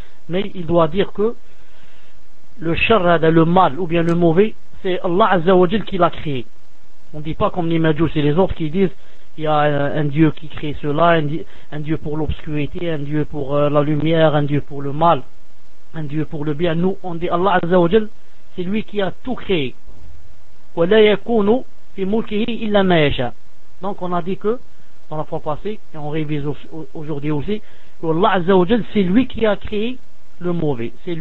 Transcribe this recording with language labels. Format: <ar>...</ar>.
<fr>Mais il doit dire que le shar, le mal ou bien le mauvais, c'est Allah Azza wa Jal qui l'a créé. On ne dit pas comme les majus et les autres qui disent il y a un dieu qui crée cela, un dieu pour l'obscurité, un dieu pour la lumière, un dieu pour le mal, un dieu pour le bien. Nous on dit Allah Azza wa Jal, c'est lui qui a tout créé.</fr> <ar>Wa la yakunu في ملكه إلا ما يشاء.</ar> <fr>Donc on a dit que dans la fois passée et on révise aujourd'hui aussi que Allah Azza wa Jal, c'est lui qui a créé le mauvais.</fr>